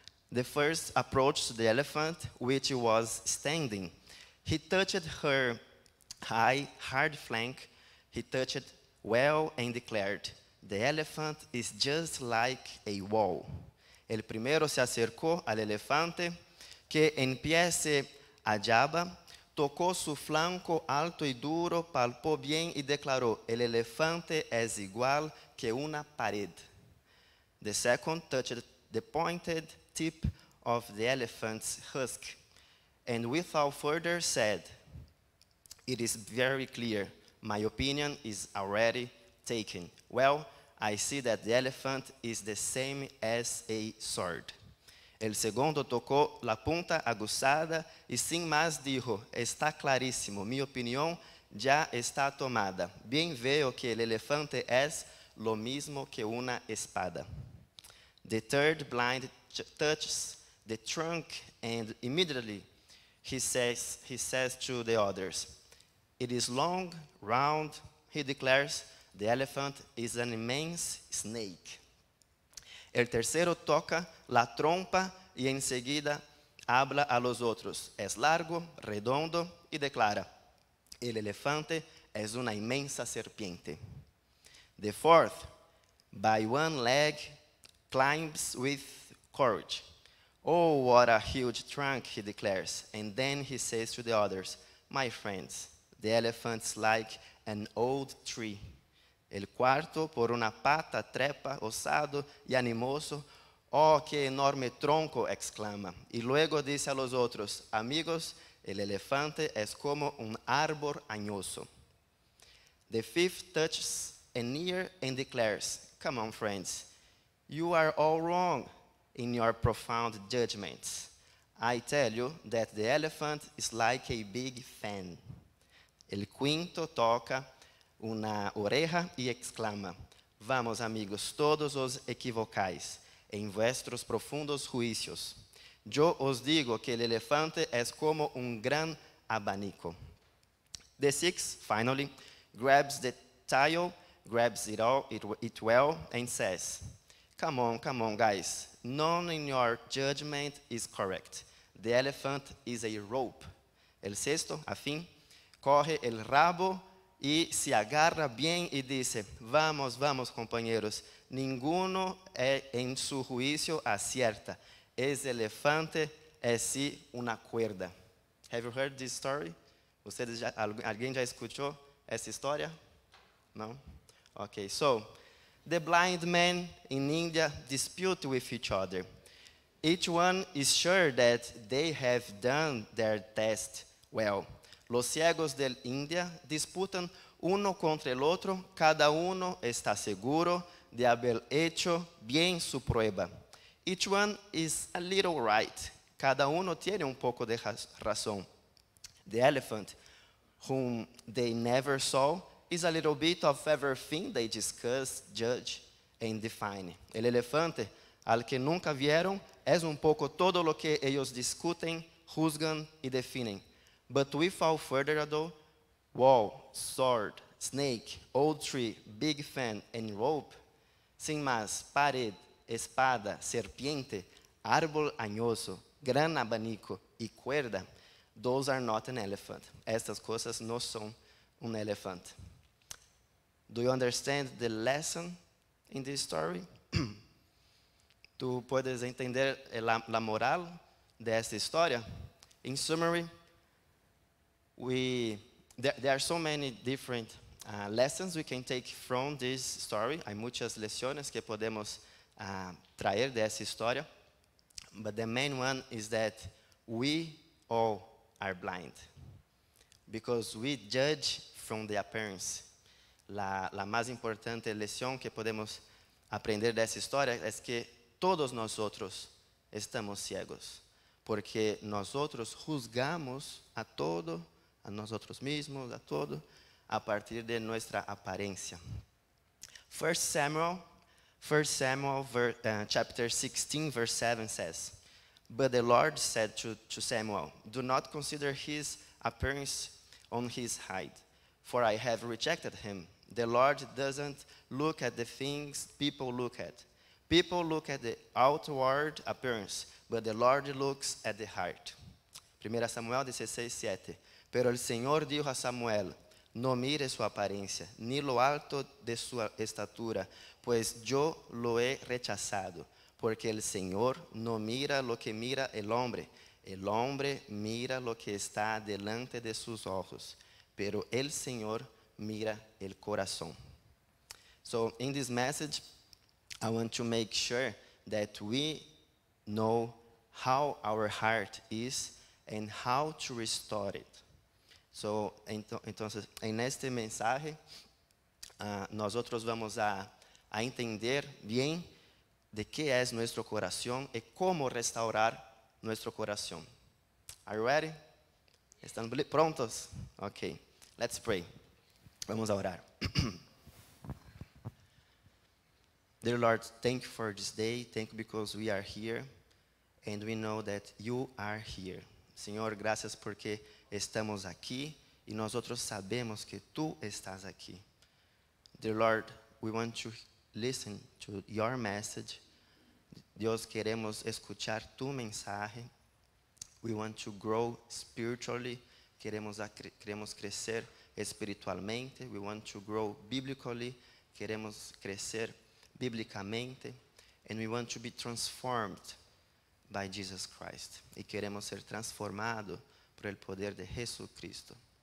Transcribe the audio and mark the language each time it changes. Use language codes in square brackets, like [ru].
[en] The first approached the elephant, which was standing. He touched her high, hard flank. He touched well and declared, "The elephant is just like a wall." [es] El primero se acercó al elefante, que en pie se hallaba, tocó su flanco alto y duro, palpó bien y declaró, "El elefante es igual que una pared." [en] The second touched the pointed tip of the elephant's husk, and without further said, "It is very clear. My opinion is already taken. Well, I see that the elephant is the same as a sword." [es] El segundo tocó la punta aguzada y sin más dijo, "Está clarísimo. Mi opinión ya está tomada. Bien veo que el elefante es lo mismo que una espada." [en] The third blind touches the trunk and immediately he says to the others, "It is long, round," he declares, "the elephant is an immense snake." [es] El tercero toca la trompa y enseguida habla a los otros. Es largo, redondo y declara, "El elefante es una inmensa serpiente." [en] The fourth, by one leg, climbs with courage. "Oh, what a huge trunk," he declares. And then he says to the others, "My friends, the elephant's like an old tree." [es] El cuarto, por una pata, trepa, osado y animoso. "Oh, qué enorme tronco," exclama. Y luego dice a los otros, "Amigos, el elefante es como un árbol añoso." [en] The thief touches an ear and declares, "Come on, friends, you are all wrong in your profound judgments. I tell you that the elephant is like a big fan." [es] El quinto toca una oreja y exclama, "Vamos, amigos, todos os equivocáis en vuestros profundos juicios. Yo os digo que el elefante es como un gran abanico." [en] The sixth, finally, grabs the tail, grabs it all, it well, and says, come on, guys, none in your judgment is correct. The elephant is a rope." [es] El sexto, a fin, corre el rabo y se agarra bien y dice, "Vamos, vamos, compañeros, ninguno en su juicio acierta. Ese elefante es sí una cuerda." [en] Have you heard this story? [es] ¿Ustedes ya, alguien ya escuchó esta historia? No? [en] Okay, so, the blind men in India dispute with each other. Each one is sure that they have done their test well. [es] Los ciegos del India disputan uno contra el otro. Cada uno está seguro de haber hecho bien su prueba. [en] Each one is a little right. [es] Cada uno tiene un poco de razón. [en] The elephant, whom they never saw, is a little bit of everything they discuss, judge, and define. [es] El elefante, al que nunca vieron, es un poco todo lo que ellos discuten, juzgan, y definen. [en] But with all further ado, wall, sword, snake, old tree, big fan, and rope, [es] sin más, pared, espada, serpiente, árbol añoso, gran abanico y cuerda, [en] those are not an elephant. [es] Estas cosas no son un elefante. [en] Do you understand the lesson in this story? [es] ¿Tú puedes entender la moral de esta historia? [en] In summary, there are so many different lessons we can take from this story. [es] Hay muchas lecciones que podemos traer de esta historia. [en] But the main one is that we all are blind. Because we judge from the appearance. [es] La más importante lección que podemos aprender de esta historia es que todos nosotros estamos ciegos. Porque nosotros juzgamos a todo, a nosotros mismos, a todo, a partir de nuestra apariencia. [en] First Samuel, chapter 16, verse 7 says, "But the Lord said to Samuel, 'Do not consider his appearance on his height, for I have rejected him. The Lord doesn't look at the things people look at. People look at the outward appearance, but the Lord looks at the heart.'" 1 Samuel 16, 7. [es] "Pero el Señor dijo a Samuel, no mire su apariencia, ni lo alto de su estatura, pues yo lo he rechazado, porque el Señor no mira lo que mira el hombre. El hombre mira lo que está delante de sus ojos, pero el Señor mira el corazón." [en] So in this message, I want to make sure that we know how our heart is and how to restore it. [es] So, entonces, en este mensaje, nosotros vamos a entender bien de qué es nuestro corazón y cómo restaurar nuestro corazón. [en] Are you ready? [es] ¿Están prontos? [en] Okay, let's pray. [es] Vamos a orar. [en] Dear Lord, thank you for this day. Thank you because we are here and we know that you are here. [es] Señor, gracias porque estamos aquí y nosotros sabemos que tú estás aquí. [en] Dear Lord, we want to listen to your message. [es] Dios, queremos escuchar tu mensaje. [en] We want to grow spiritually. [es] Queremos crecer espiritualmente. [en] We want to grow biblically. [es] Queremos crecer bíblicamente. [en] And we want to be transformed by Jesus Christ. [es] Y queremos ser transformado por el poder de Jesucristo.